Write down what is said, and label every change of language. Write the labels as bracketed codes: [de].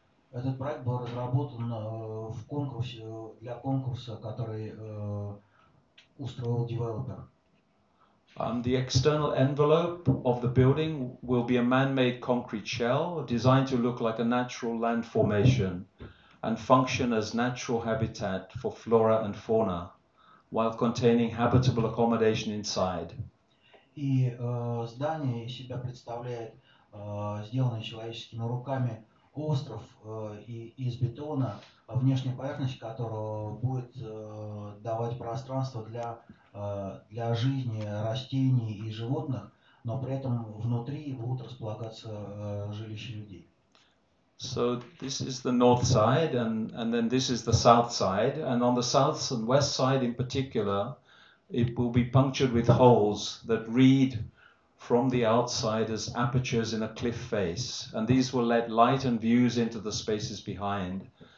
[ru] Этот проект был разработан в конкурсе для конкурса, который устроил девелопер. [en] The external envelope of the building will be a man-made concrete shell designed to look like a natural land formation and function as natural habitat for flora and fauna, while containing habitable accommodation inside. [ru] И здание из себя представляет сделанный человеческими руками остров из бетона, внешняя поверхность которого будет давать пространство для жизни растений и животных, но при этом внутри будут располагаться жилища людей. [en] So this is the north side, and then this is the south side, and on the south and west side in particular, it will be punctured with holes that read from the outside as apertures in a cliff face, and these will let light and views into the spaces behind.